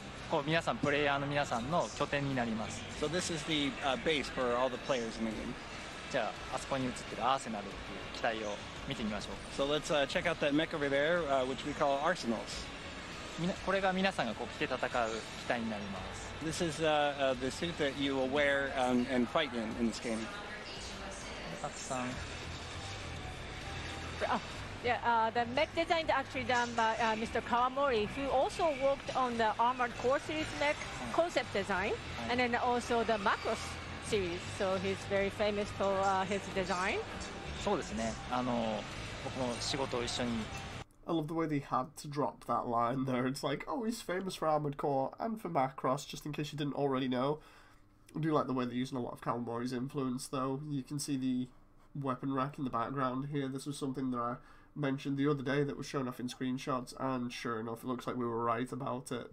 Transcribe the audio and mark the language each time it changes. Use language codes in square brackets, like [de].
[ja] こう皆さん、プレイヤーの皆さんの拠点になります。 [en] So this is the base for all the players in the game. [ja] じゃあ、あそこに映ってるアーセナルっていう機体を見てみましょう。 [en] So let's、check out that mech over there、which we call arsenals。 [ja] これが皆さんがこう着て戦う機体になります。 [en] This is、the suit that you will wear、and fight in this game。 [ja] たくさん、 [en] Yeah, the mech design is actually done by Mr. Kawamori, who also worked on the Armored Core series mech concept design, and then also the Macross series. So he's very famous for his design. [ja] そうですね。あの、僕も仕事を一緒に。 [en] I love the way they had to drop that line there. It's like, oh, he's famous for Armored Core and for Macross, just in case you didn't already know. I do like the way they're using a lot of Kawamori's influence, though. You can see the weapon rack in the background here. This was something that I mentioned the other day that was shown off in screenshots, and sure enough, it looks like we were right about it.